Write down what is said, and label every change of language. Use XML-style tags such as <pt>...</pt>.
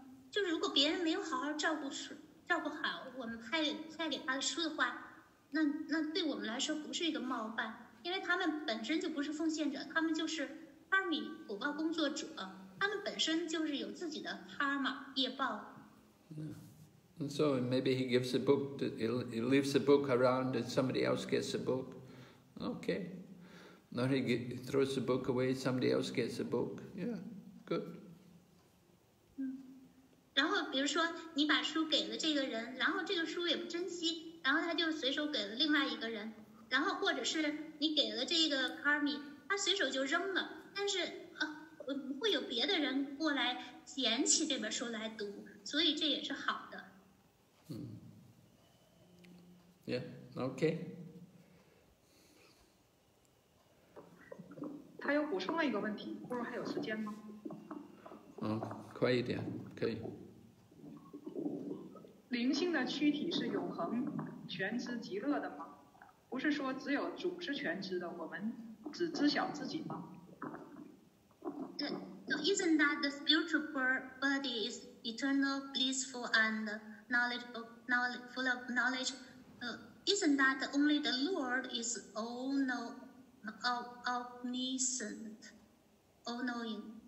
<zh>就如果别人没有好好照顾好我们派给他的书的话，那对我们来说不是一个冒犯，因为他们本身就不是奉献者，他们就是karmi果报工作者，他们本身就是有自己的karma业报。</zh> <en>And so maybe he gives a book, he leaves a book around and somebody else gets a book. Okay. Now he throws the book away, somebody else gets a book. Yeah, good.</en> <zh>然后比如说你把书给了这个人，然后这个书也不珍惜，然后他就随手给了另外一个人，然后或者是你给了这个 Karmi, 他随手就扔了，但是会有别的人过来捡起这本书来读，所以这也是好的。</zh> <en>Yeah, okay.</en> <zh>他又补充了一个问题，不如还有时间吗？快一点，可以。灵性的躯体是永恒、全知、极乐的吗？不是说只有主是全知的，我们只知晓自己吗？</zh> <en>So isn't that the spiritual body is eternal, blissful, and knowledge full of knowledge? Isn't that only the Lord is omniscient, all knowing?</en>